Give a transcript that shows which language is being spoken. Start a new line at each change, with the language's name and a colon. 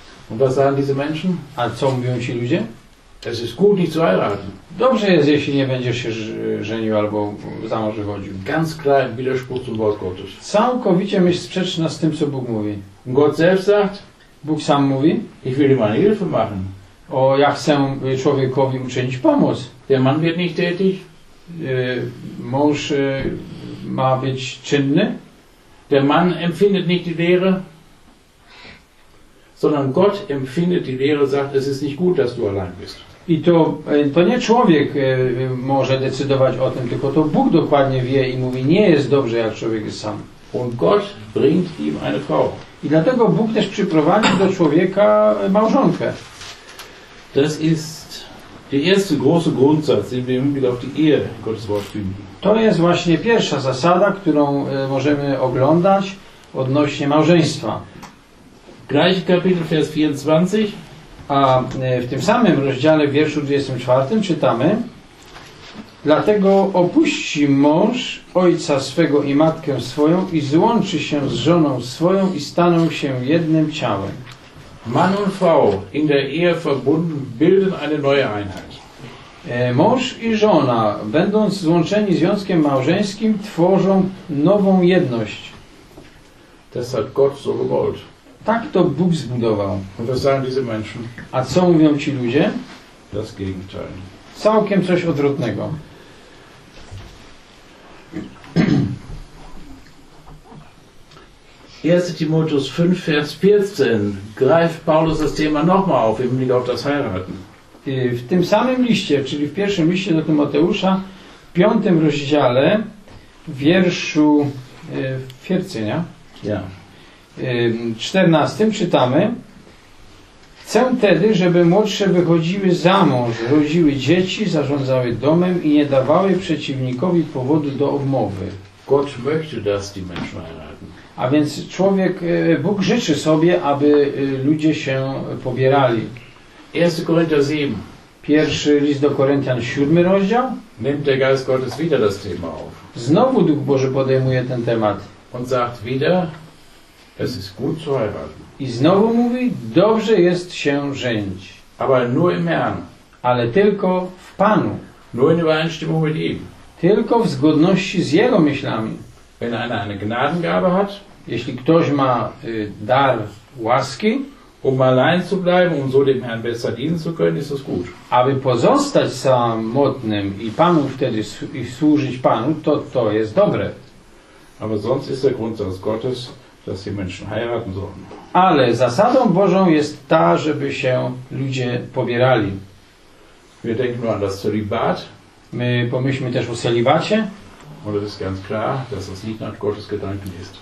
German: Und was sagen diese Menschen?
Polish: A co mówią ci ludzie?
German: Es ist gut, nicht zu heiraten.
Polish: Dobrze jest, jeśli nie będziesz się żenił albo za mąż wychodził.
German: Ganz klar im Widerspruch zum Wort Gottes.
Polish: Całkowicie myśl sprzeczna z tym, co Bóg mówi.
German: Und Gott selbst sagt,
Polish: Bóg sam mówi,
German: ich will ihm eine Hilfe machen.
Polish: O, ja chcę człowiekowi uczynić pomoc.
German: Der Mann wird nicht tätig.
Polish: Mąż ma być czynny.
German: Der Mann empfindet nicht die Leere. Sondern Gott empfindet die Leere, sagt, es ist nicht gut, dass du allein bist.
Polish: I to nie człowiek może decydować o tym, tylko to Bóg dokładnie wie i mówi, nie jest dobrze, jak człowiek jest sam.
German: Und Gott bringt ihm eine Frau.
Polish: I dlatego Bóg też przyprowadził do człowieka małżonkę.
German: Das ist der erste große Grundsatz, den wir im Hinblick auf die Ehe in Gottes Wort finden.
Polish: To jest właśnie pierwsza zasada, którą możemy oglądać odnośnie małżeństwa.
German: Gleiche Kapitel, Vers 24.
Polish: A w tym samym rozdziale, w wierszu 24, czytamy: dlatego opuści mąż ojca swego i matkę swoją i złączy się z żoną swoją i staną się jednym ciałem.
German: Mann und Frau in der Ehe verbunden bilden eine neue Einheit.
Polish: Mąż i żona, będąc złączeni związkiem małżeńskim, tworzą nową jedność.
German: Das hat Gott so gewollt.
Polish: Tak to Bóg zbudował.
German: Was sagen diese Menschen?
Polish: A co mówią ci ludzie?
German: Das Gegenteil.
Polish: Całkiem coś odwrotnego.
German: Erste Timotheus 5, Vers 14 greift Paulus das Thema nochmal auf, im Blick auf das Heiraten.
Polish: W tym samym liście, czyli w pierwszym liście do Tymoteusza, w piątym rozdziale, wierszu 14, nie?
German: Ja.
Polish: W 14 czytamy: chcę tedy, żeby młodsze wychodziły za mąż, rodziły dzieci, zarządzały domem i nie dawały przeciwnikowi powodu do obmowy.
German: Gott möchte, dass die Menschen heiraten.
Polish: A więc człowiek, Bóg życzy sobie, aby ludzie się pobierali.
German: 1. Korinther 7.
Polish: Pierwszy list do Koryntian, 7 rozdział.
German: Nimmt der Geist Gottes wieder das Thema auf.
Polish: Znowu Duch Boży podejmuje ten temat.
German: Und sagt wieder, es ist gut zu heiraten.
Polish: I znowu mówi, dobrze jest się żenić.
German: Aber nur im Herrn.
Polish: Ale tylko w Panu.
German: Nur in Übereinstimmung mit ihm.
Polish: Tylko w zgodności z Jego myślami.
German: Wenn einer eine Gnadengabe hat,
Polish: jeśli ktoś ma dar łaski,
German: um allein zu bleiben und so dem Herrn besser dienen zu können, ist das gut.
Polish: Aby pozostać samotnym i Panu wtedy i służyć Panu, to jest dobre.
German: Aber sonst ist der Grundsatz Gottes, dass die Menschen heiraten sollen.
Polish: Ale zasadą Bożą jest ta, żeby się ludzie pobierali.
German: Wir denken nur an das Zölibat.
Polish: My pomyślmy też o celibacie.
German: Oder ist ganz klar, dass es nicht nach Gottes Gedanken ist.